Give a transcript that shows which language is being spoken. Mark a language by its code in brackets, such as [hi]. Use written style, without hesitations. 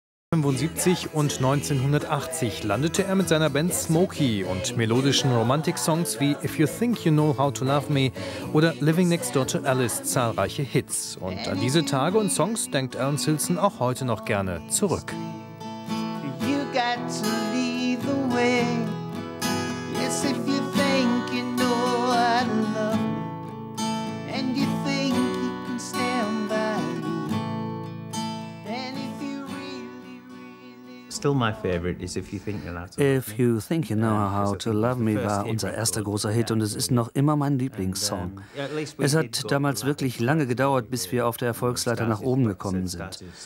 [de] Und 1980 landete er mit seiner Band Smokey und melodischen Romantik-Songs wie If You Think You Know How to Love Me oder Living Next Door to Alice zahlreiche Hits. Und an diese Tage und Songs denkt Alan Silson auch heute noch gerne zurück. [en] You got to lead the way. Yes, if you think you know how to love and you think you can stand by. [de] If You Think You Know How to Love Me war unser erster großer Hit und es ist noch immer mein Lieblingssong. Es hat damals wirklich lange gedauert, bis wir auf der Erfolgsleiter nach oben gekommen sind.